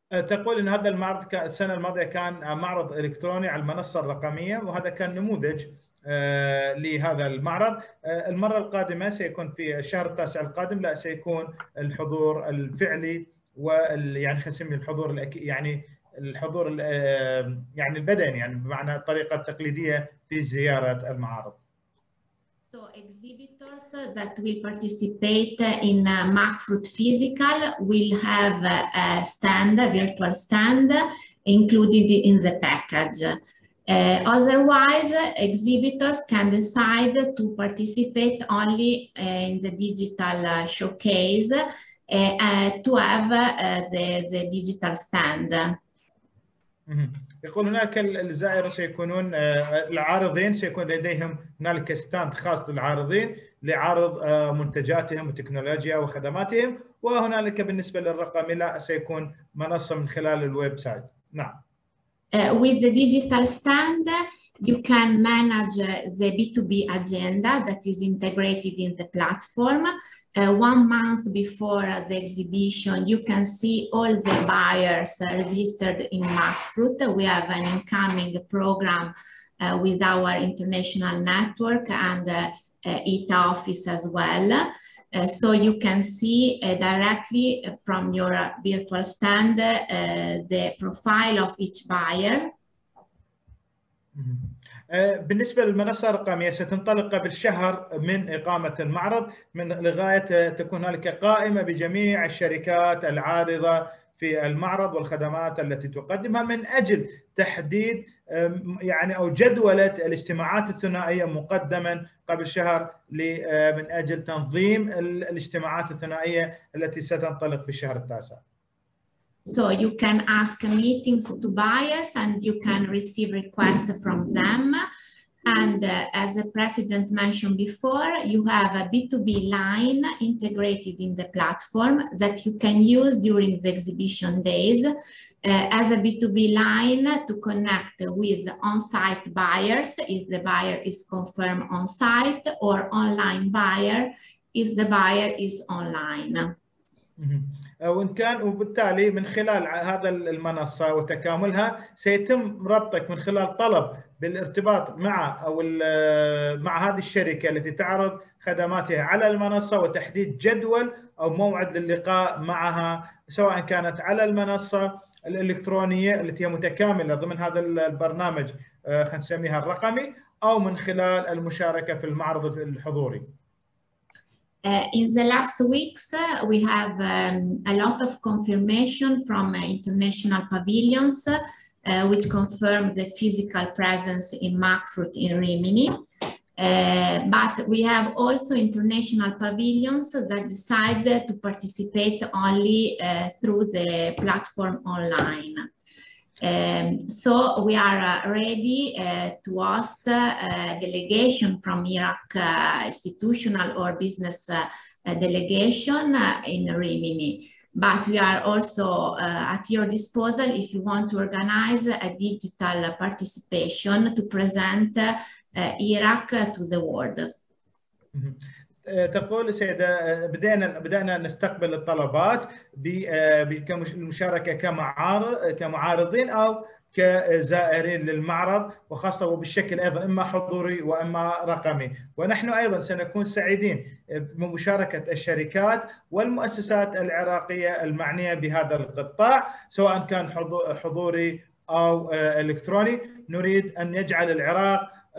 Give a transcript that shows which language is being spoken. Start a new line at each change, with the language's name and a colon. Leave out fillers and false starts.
Arabic: تقول إن هذا المعرض السنة الماضية كان معرض إلكتروني على المنصة الرقمية وهذا كان نموذج لهذا المعرض. المرة القادمة سيكون في الشهر التاسع القادم لا سيكون الحضور الفعلي وال يعني خلينا نسمي الحضور يعني الحضور يعني البدني يعني بمعنى الطريقة التقليدية في زيارة المعارض.
English: So exhibitors that will participate in Macfrut Physical will have a stand, a virtual stand, included in the package. Otherwise, exhibitors can decide to participate only in the digital showcase to have the digital stand.
Arabic: يقول هناك الزائر سيكونون العارضين سيكون لديهم هناك ستاند خاص للعارضين لعرض منتجاتهم وتكنولوجيا وخدماتهم وهنالك بالنسبه للرقمي لا سيكون منصه من خلال الويب سايت. نعم.
English: With the digital stand you can manage the B2B agenda that is integrated in the platform. One month before the exhibition, you can see all the buyers registered in Macfrut. We have an incoming program with our international network and ITA office as well. So you can see directly from your virtual stand the profile of each buyer.
Arabic: بالنسبة للمنصة الرقمية ستنطلق قبل شهر من إقامة المعرض من لغاية تكون هناك قائمة بجميع الشركات العارضة في المعرض والخدمات التي تقدمها من أجل تحديد يعني أو جدولة الاجتماعات الثنائية مقدما قبل شهر من أجل تنظيم الاجتماعات الثنائية التي ستنطلق في الشهر التاسع.
English: So you can ask meetings to buyers and you can receive requests from them. And as the president mentioned before, you have a B2B line integrated in the platform that you can use during the exhibition days as a B2B line to connect with on-site buyers if the buyer is confirmed on-site or online buyer if the buyer is online.
Arabic: وإن كان وبالتالي من خلال هذا المنصة وتكاملها سيتم ربطك من خلال طلب بالارتباط مع أو مع هذه الشركة التي تعرض خدماتها على المنصة وتحديد جدول أو موعد للقاء معها سواء كانت على المنصة الإلكترونية التي هي متكاملة ضمن هذا البرنامج خلينا نسميها الرقمي أو من خلال المشاركة في المعرض الحضوري.
English: In the last weeks, we have a lot of confirmation from international pavilions, which confirm the physical presence in Macfrut in Rimini. But we have also international pavilions that decide to participate only through the platform online. So we are ready to host a delegation from Iraq institutional or business delegation in Rimini. But we are also at your disposal if you want to organize a digital participation to present Iraq to the world.
Arabic: تقول سيدة بدأنا نستقبل الطلبات بالمشاركة كمعارضين أو كزائرين للمعرض وخاصة وبالشكل أيضا إما حضوري وإما رقمي ونحن أيضا سنكون سعيدين بمشاركة الشركات والمؤسسات العراقية المعنية بهذا القطاع سواء كان حضوري أو إلكتروني نريد أن يجعل العراق